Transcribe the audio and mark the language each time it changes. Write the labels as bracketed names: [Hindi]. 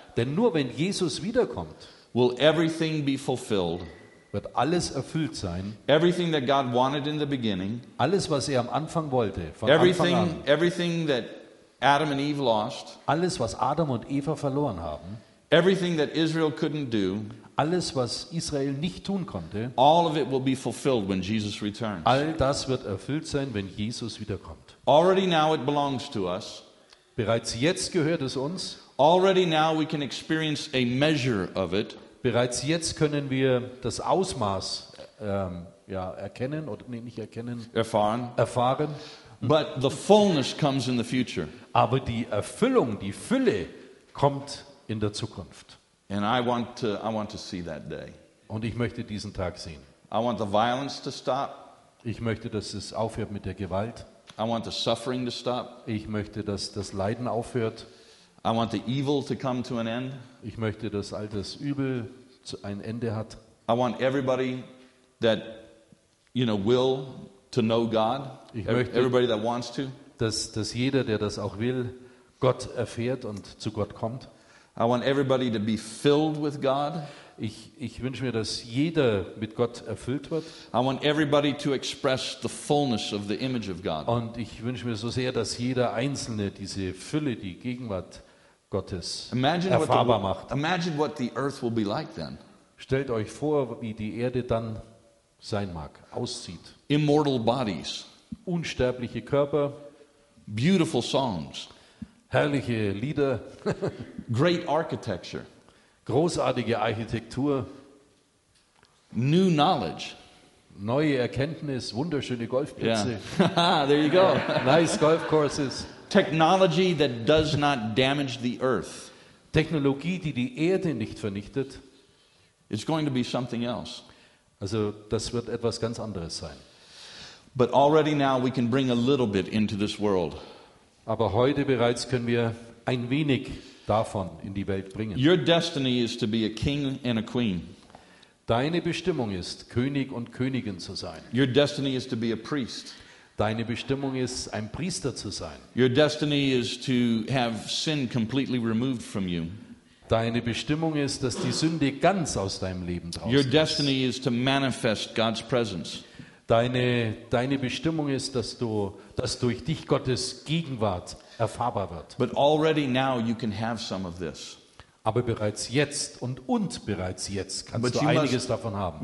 [German] denn nur wenn Jesus wiederkommt, [English] will everything be fulfilled. [German] Wird alles erfüllt sein. [English] Everything that God wanted in the beginning. [German] Alles was er am Anfang wollte, von [English] everything, [German] Anfang an. [English] Everything that Adam and Eve lost. [German] Alles was Adam und Eva verloren haben. [English] Everything that Israel couldn't do, [German] alles was Israel nicht tun konnte, [English] all of it will be fulfilled when Jesus returns. [German] All das wird erfüllt sein, wenn Jesus wiederkommt. [English] Already now it belongs to us. [German] Bereits jetzt gehört es uns. [English] Already now we can experience a measure of it. [German] Bereits jetzt können wir das Ausmaß erkennen oder nicht erkennen? Erfahren. Erfahren. [English] But the fullness comes in the future. [German] Aber die Erfüllung, die Fülle kommt in der Zukunft. [English] And I want to see that day. [German] Und ich möchte diesen Tag sehen. [English] I want the violence to stop. [German] Ich möchte, dass es aufhört mit der Gewalt. [English] I want the suffering to stop. [German] Ich möchte, dass das Leiden aufhört. [English] I want the evil to come to an end. [German] Ich möchte, dass all das Übel ein Ende hat. [English] I want everybody that you know will to know God. [German] Ich möchte, [English] everybody that wants to. [German] Dass jeder, der das auch will, Gott erfährt und zu Gott kommt. [English] I want everybody to be filled with God. [German] Ich wünsche mir, dass jeder mit Gott erfüllt wird. [English] I want everybody to express the fullness of the image of God. [German] Und ich wünsche mir so sehr, dass jeder Einzelne diese Fülle, die Gegenwart Gottes erfahrbar macht. [English] Imagine what the earth will be like then. [German] Stellt euch vor, wie die Erde dann sein mag, aussieht. [English] Immortal bodies. [German] Unsterbliche Körper. [English] Beautiful songs. [German] Herrliche Lieder. [English] Great architecture. [German] Großartige Architektur, [English] new knowledge, [German] neue Erkenntnis, wunderschöne Golfplätze. [English] Yeah. There you go. Nice golf courses. Technology that does not damage the earth. [German] Technologie, die die Erde nicht vernichtet. [English] It's going to be something else. [German] Also, das wird etwas ganz anderes sein. [English] But already now we can bring a little bit into this world. [German] Aber heute bereits können wir ein wenig davon in die Welt bringen. [English] Your destiny is to be a king and a queen. [German] Deine Bestimmung ist, König und Königin zu sein. [English] Your destiny is to be a priest. [German] Deine Bestimmung ist, ein Priester zu sein. [English] Your destiny is to have sin completely removed from you. [German] Deine Bestimmung ist, dass die Sünde ganz aus deinem Leben draußen ist. [English] Your destiny is to manifest God's presence. [German] Deine Bestimmung ist, dass durch dich Gottes Gegenwart erfahrbar wird. [English] But already now you can have some of this. [German] Aber bereits jetzt und bereits jetzt kannst du einiges davon haben.